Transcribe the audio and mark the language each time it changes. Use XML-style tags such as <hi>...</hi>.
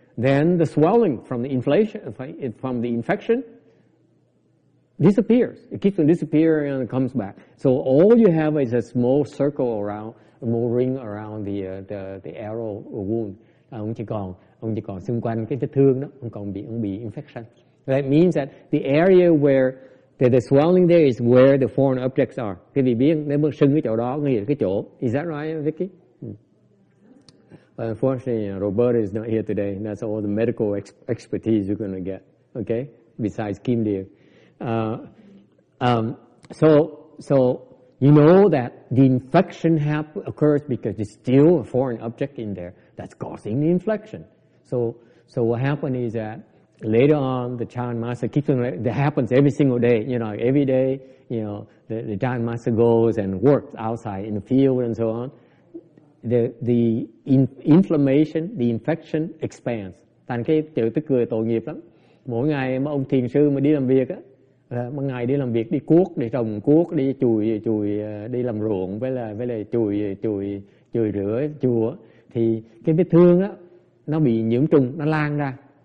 <en>Then the swelling from the inflation, from the infection, disappears. It keeps on disappearing and it comes back. So all you have is a small circle around, a small ring around the arrow wound.</en> <vi>Ông chỉ còn xung quanh cái vết thương đó, ông còn bị infection.</vi> <en>That means that the area where the swelling there is where the foreign objects are.</en> <vi>Cái vị biến, nếu mà sưng cái chỗ đó, nghĩa là cái chỗ.</vi> <en>Is that right, Vicky? Unfortunately, Robert is not here today. That's all the medical expertise you're going to get, okay? Besides Kim Deer. So you know that the infection occurs because there's still a foreign object in there that's causing the infection. So what happened is that later on, the chant master keeps on, that happens every single day, you know, every day, you know, the chant master goes and works outside in the field and so on. The inflammation, the infection expands.</en> <vi>Thành cái chữ tức cười tội nghiệp lắm. Mỗi ngày mà ông thiền sư mà đi làm việc á, mỗi ngày đi làm việc, đi cuốc, đi trồng cuốc, đi chùi, đi làm ruộng, với là chùi rửa chùa, thì cái vết thương á, nó bị nhiễm trùng, nó lan ra.</vi>